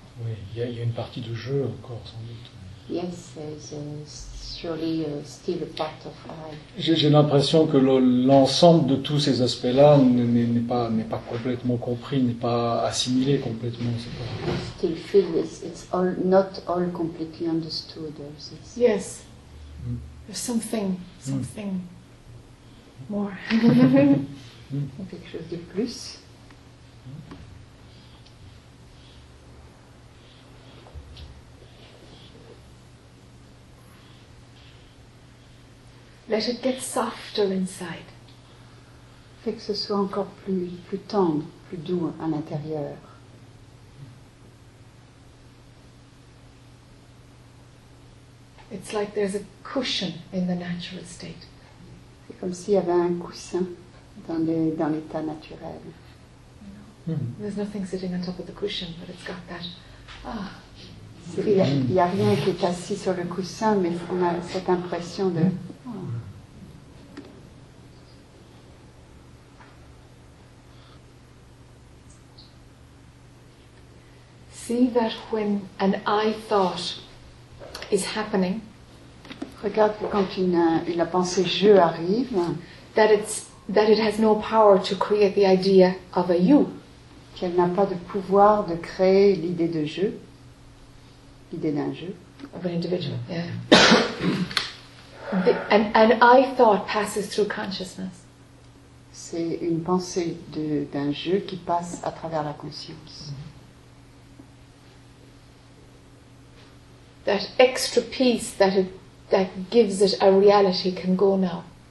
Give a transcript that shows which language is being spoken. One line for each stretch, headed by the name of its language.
French: Oui, il y a une partie de jeu encore, sans doute.
English: Yes, there's surely still a part of eye.
French: J'ai l'impression que l'ensemble de tous ces aspects-là n'est pas complètement compris, n'est pas assimilé complètement. C'est pas...
English: I still feel it's all, not all completely understood. Yes. There's something more.
French: Quelque chose de plus.
English: Let it get softer inside.
French: Fait que ce soit encore plus tendre, plus doux à l'intérieur.
English: It's like there's a cushion in the natural state.
French: C'est comme s'il y avait un coussin dans l'état naturel.
English: There's nothing sitting on top of the cushion, but it's got that.
French: Il n'y a rien qui est assis sur le coussin, mais on a cette impression de...
English: See that when an I thought is happening,
French: regarde que quand une pensée je arrive,
English: that it has no power to create the idea of a you,
French: qu'elle n'a pas de pouvoir de créer l'idée de je, l'idée d'un je,
English: of an individual. Yeah. an I thought passes through consciousness.
French: C'est une pensée d'un je qui passe à travers la conscience.
English: That extra piece that gives it a reality can go now.